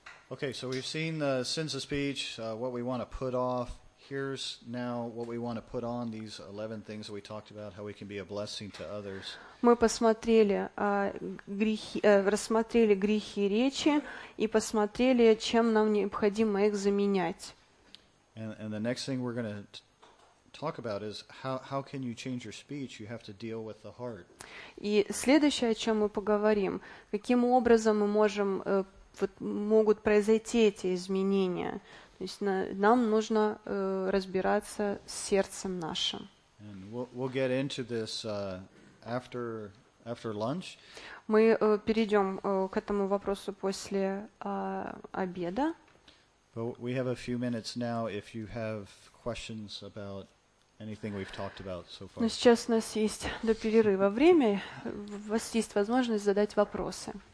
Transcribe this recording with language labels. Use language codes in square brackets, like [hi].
[en] Okay, so we've seen the sins of speech, what we want to put off. Here's now what we want to put on, these 11 things that we talked about, how we can be a blessing to others. [ru] Мы посмотрели грехи, рассмотрели грехи речи и посмотрели, чем нам необходимо их заменять. [en] And the next thing we're going to talk about is how can you change your speech? You have to deal with the heart. [ru] И следующее, о чем мы поговорим, каким образом мы можем вот могут произойти эти изменения. То есть нам нужно разбираться с сердцем нашим. [en] And we'll get into this after lunch. [ru] Мы перейдем к этому вопросу после обеда. [en] But we have a few minutes now if you have questions about anything we've talked about so far. [ru] Но сейчас у нас есть до перерыва время, у вас есть возможность задать вопросы.